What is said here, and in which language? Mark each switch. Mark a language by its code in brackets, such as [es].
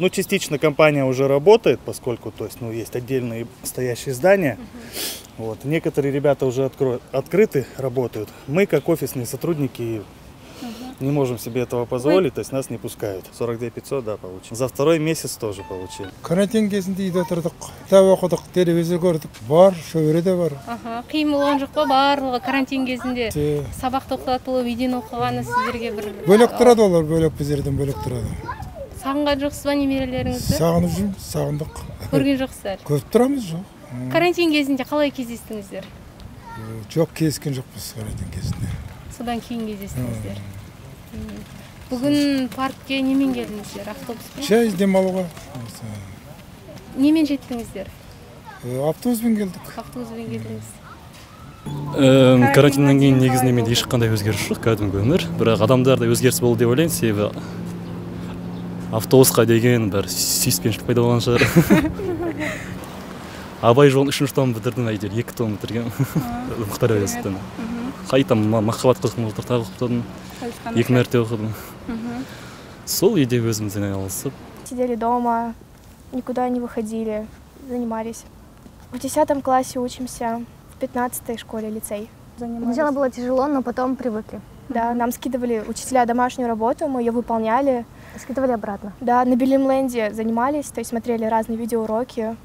[ru] Ну, частично компания уже работает, поскольку то есть, ну, есть отдельные стоящие здания. Вот. Некоторые ребята уже открыты, работают. Мы, как офисные сотрудники, не можем себе этого позволить, то есть нас не пускают. 42 500, да, получили. За второй месяц тоже получили. [kk] Карантин кезінде үйде тұрдық. Кітап оқыдық, телевизор көрдық. Бар, шөбере де бар. Қиын болған жоқ па барлығы карантин кезінде? Сабақ тоқтатылып, үйден оқығаны сіздерге бір... Бөлек тұрады олар, бөлек біздерден бөлек тұрады. Сағынған жоқсыз ба немерелеріңізді? Сағынып жүрміз, сағындық. Көрген жоқсыздар? Көріп тұрамыз, жоқ. Карантин кезінде қалай кездестіңіздер? Жоқ, кездескен жоқпыз карантин кезінде. Содан кейін кездестіңіздер? Бүгін паркке немен келдіңіздер? Автобуспен? Шай демалуға. Немен жеттіңіздер? Автобуспен келдік. Автобуспен келдіңіз. Карантиннан кейін негізінде менде ешқандай өзгеріс жоқ, кәдімгі өмір. Бірақ адамдарда өзгеріс болды деп ойлаймын, себебі автобусқа деген бір сүйіспеншілік пайда болған шығар. Абай жолын 3-ші томын бітірдім, әйтеуір 2 томын бітіргенмін. Мұхтар әуезовтен. Қайтам махаббат қызықтырды, тағы оқып тұрдым. Екі мәрте оқыдым. Сол үйде өзімізден айналысып. [ru] Сидели дома, никуда не выходили, занимались. В 10 классе учимся, в 15 школе, лицей. Сначала было тяжело, но потом привыкли. Да, нам скидывали учителя домашнюю работу, мы ее выполняли. Скидывали обратно. Да, на Билимленде занимались, то есть смотрели разные видеоуроки.